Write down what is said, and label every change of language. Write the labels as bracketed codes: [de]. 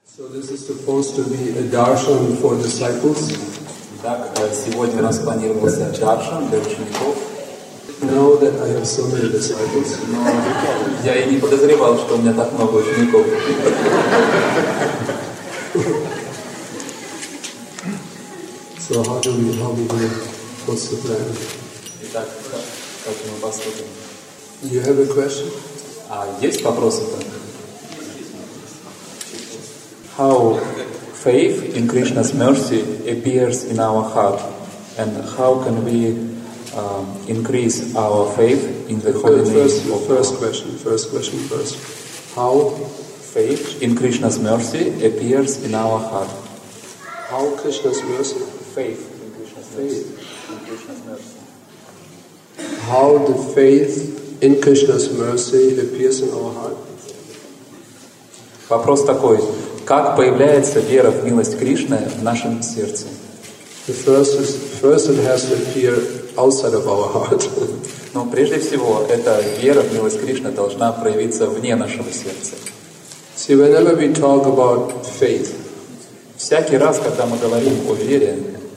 [en] This is supposed to be a darshan for disciples. [ru] Так, сегодня у нас планировался даршан для учеников. [en] Know that I have so many disciples. [ru] Я и не подозревал, что у меня так много учеников. [en] So how do we what's the plan? [ru] Итак, как мы поступим? [en] You have a question? [ru] А есть вопросы там? [en] How faith in Krishna's mercy appears in our heart, and how can we increase our faith in the holy name? First question. How faith in Krishna's mercy appears in our heart? How Krishna's mercy? Faith in Krishna's mercy. How the faith in Krishna's mercy appears in our heart? [ru] Вопрос такой. Как появляется вера в милость Кришны в нашем сердце? [en] First it has to appear outside of our heart. [ru] Но прежде всего, эта вера в милость Кришны должна проявиться вне нашего сердца. [en] See, whenever we talk about faith, [ru] всякий раз, когда мы говорим о вере,